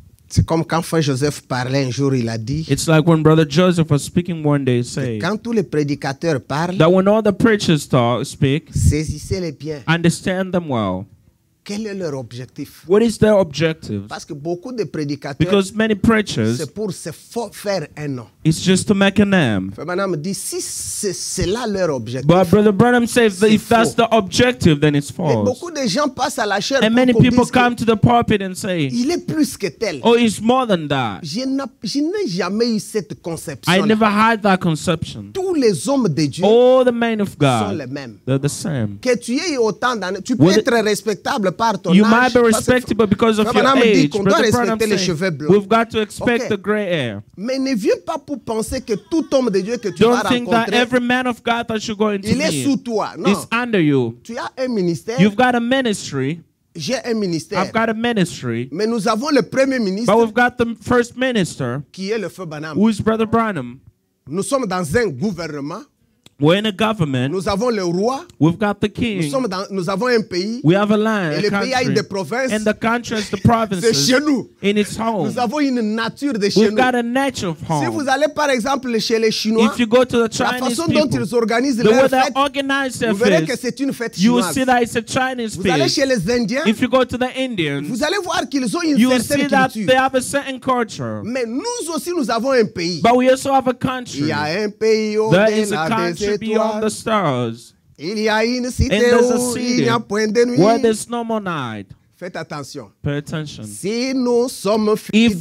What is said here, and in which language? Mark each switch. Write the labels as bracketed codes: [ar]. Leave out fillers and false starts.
[fr] C'est comme quand Frère Joseph parlait un jour, il a dit. [en] It's like when Brother Joseph was speaking one day, say. [fr] Quand tous les prédicateurs parlent. [en] That when all the preachers talk, speak. [fr] Saisissez-les bien. [en] Understand them well. [fr] Quel est leur objectif? [en] What is their objective? [fr] Parce que beaucoup de prédicateurs. [en] Because many preachers. [fr] C'est pour se faire un nom. [en] It's just to make a name. [fr] Frère Branham dit si c'est là leur objectif. [en] But Brother Branham says that if that's the objective, then it's false. [fr] Et beaucoup de gens passent à la chaire. [en] And many people come to the pulpit and say. [fr] Il est plus que tel. [en] Oh, it's more than that. [fr] Je n'ai jamais eu cette conception. [en] I never had that conception. [fr] Tous les hommes de Dieu. [en] All the men of God. [fr] Sont les mêmes. [en] They're the same. [fr] Que tu aies autant d'années, tu peux être respectable. [en] You might be respectable because of your age, Brother Branham saying, we've got to expect the gray hair. [fr] Mais ne viens pas pour penser que tout homme de Dieu que tu [en] don't think that every man of God that you're going to meet is under you. [fr] Tu as un ministère. [en] You've got a ministry. [fr] J'ai un ministère. [en] I've got a ministry. [fr] Mais nous avons le premier ministre. [en] But we've got the first minister, [fr] qui est le Frère Branham. [en] Who is Brother Branham. [fr] Nous sommes dans un gouvernement. [en] We're in a government. [fr] Nous avons le roi. [en] We've got the king. [fr] Nous avons un pays. [en] We have a land. [fr] Et [en] a [fr] le [en] country. [fr] Pays a des provinces. [en] And the country has the provinces. [fr] C'est chez nous. [en] In its home. [fr] Nous avons une nature de [en] we've [fr] chez [en] got [fr] nous. [en] A nature of home. [fr] Si vous allez par exemple chez les Chinois, [en] if you go to the Chinese [fr] la façon [en] people, [fr] dont ils organisent [en] the way [fr] leur fête, [en] they organize their [fr] vous verrez que c'est une fête [en] you [fr] chinoise. [en] You will see that it's a Chinese [fr] vous fête. Allez chez les Indiens, [en] if you go to the Indians, [fr] vous allez voir qu'ils ont une certaine culture. [en] You see that they have a certain culture. [fr] Mais nous aussi nous avons un pays. [en] But we also have a country. [fr] Il y a un pays au [en] there is a country. Beyond the stars, [fr] il y a une cité [en] and there's a city [fr] il y a point de nuit. [en] Where there's no more night. [fr] Faites attention. [en] Pay attention. [fr] Si nous sommes fidèles,